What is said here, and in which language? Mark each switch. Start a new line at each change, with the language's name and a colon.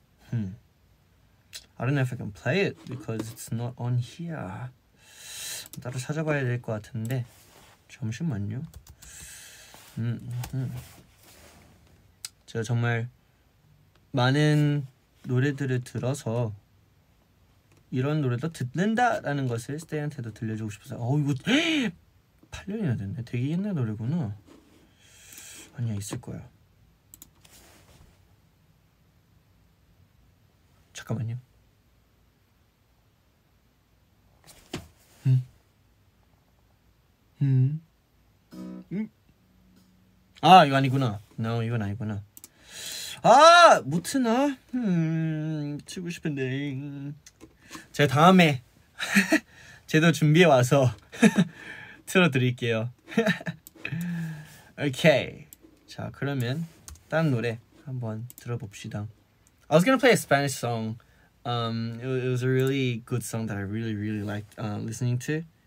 English: 흠. I don't know if I can play it because it's not on here.
Korean: 따로 찾아봐야 될 것 같은데 잠시만요. 제가 정말 많은 노래들을 들어서 이런 노래도 듣는다라는 것을 스테이한테도 들려주고 싶어서 이거 8년이나 됐네. 되게 옛날 노래구나. 아니야 있을 거야. 잠깐만요. 아 이거 아니구나. No 이건 아니구나. 아! 못 트나? 치고 싶은데 제가 다음에 제대로 준비해와서 틀어드릴게요. 오케이 자 그러면 다른 노래 한번 들어봅시다.
English: I was gonna play a Spanish song. It was a really good song that I really really liked listening to.